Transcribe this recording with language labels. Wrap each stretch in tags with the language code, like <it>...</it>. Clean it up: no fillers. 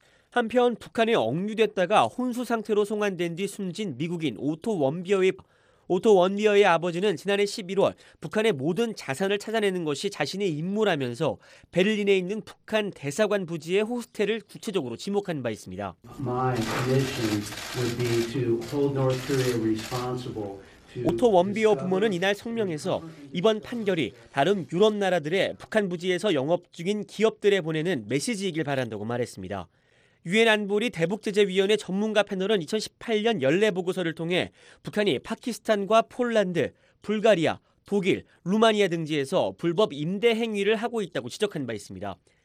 <ko>한편 북한에 억류됐다가 혼수 상태로 송환된 뒤 숨진 미국인 오토 원비어의 아버지는 지난해 11월 북한의 모든 자산을 찾아내는 것이 자신의 임무라면서 베를린에 있는 북한 대사관 부지의 호스텔을 구체적으로 지목한 바 있습니다.</ko> <en>My mission would be to hold North Korea responsible.</en> <ko>오토 원비어 부모는 이날 성명에서 이번 판결이 다른 유럽 나라들의 북한 부지에서 영업 중인 기업들에 보내는 메시지이길 바란다고 말했습니다. 유엔 안보리 대북제재위원회 전문가 패널은 2018년 연례 보고서를 통해 북한이 파키스탄과 폴란드, 불가리아, 독일, 루마니아 등지에서 불법 임대 행위를 하고 있다고 지적한 바 있습니다.</ko>